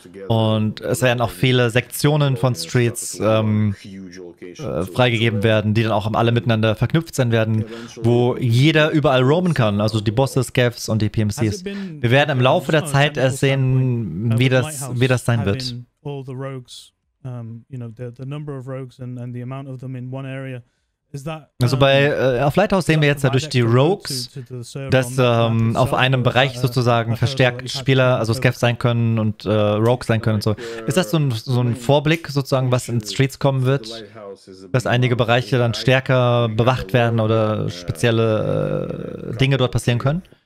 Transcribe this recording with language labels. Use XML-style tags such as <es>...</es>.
<de>Und es werden auch viele Sektionen von Streets freigegeben werden, die dann auch alle miteinander verknüpft sein werden, wo jeder überall roamen kann, also die Bosse, Scavs und die PMCs. Wir werden im Laufe der Zeit erst sehen, wie das sein wird.</de> <en>All the rogues, you know, the number of rogues and the amount of them in one area</en> <de>Also bei auf Lighthouse sehen wir jetzt durch die Rogues, dass auf einem Bereich sozusagen verstärkt Spieler, also Scavs sein können und Rogues sein können und so. Ist das so ein Vorblick sozusagen, was in Streets kommen wird? Dass einige Bereiche dann stärker bewacht werden oder spezielle Dinge dort passieren können?</de>